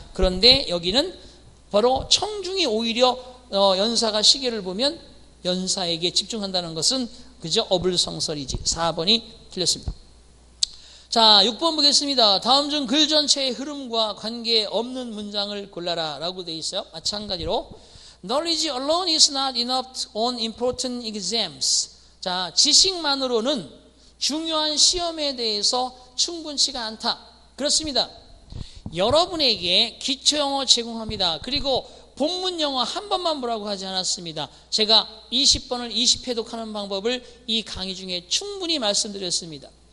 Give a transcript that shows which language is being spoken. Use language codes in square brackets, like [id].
[ko] 그런데 여기는 바로 청중이 오히려 연사가 시계를 보면 연사에게 집중한다는 것은 그저 어불성설이지. 4번이 틀렸습니다. 자, 6번 보겠습니다. 다음 중 글 전체의 흐름과 관계없는 문장을 골라라 라고 되어 있어요. 마찬가지로 [en] Knowledge alone is not enough on important exams. [ko] 자, 지식만으로는 중요한 시험에 대해서 충분치가 않다. 그렇습니다. 여러분에게 기초 영어 제공합니다. 그리고 본문 영어 한 번만 보라고 하지 않았습니다. 제가 20번을 20해독하는 방법을 이 강의 중에 충분히 말씀드렸습니다.